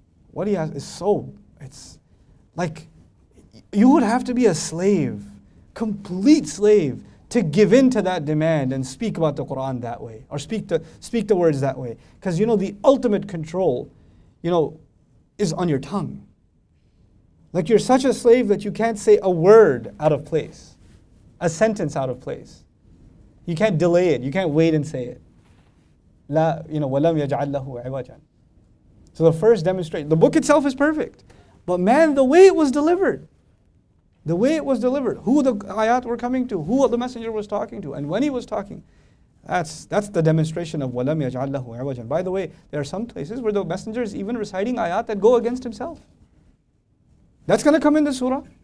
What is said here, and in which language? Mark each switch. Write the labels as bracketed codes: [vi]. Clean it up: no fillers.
[en] What he has is so, it's like you would have to be a slave, complete slave, to give in to that demand and speak about the Quran that way, or speak the words that way. Because you know, the ultimate control, you know, is on your tongue. Like, you're such a slave that you can't say a word out of place, a sentence out of place. You can't delay it, you can't wait and say it. [ar] La, [en] you know, [ar] وَلَمْ يَجْعَلْ لَهُ عِوَجًا. [en] So the first demonstration, the book itself is perfect, but man, the way it was delivered, the way it was delivered, who the ayat were coming to, who the Messenger was talking to, and when he was talking, that's the demonstration of [ar] وَلَمْ يَجْعَلْ لَهُ عِوَجًا. [en] By the way, there are some places where the Messenger is even reciting ayat that go against himself. That's going to come in the surah.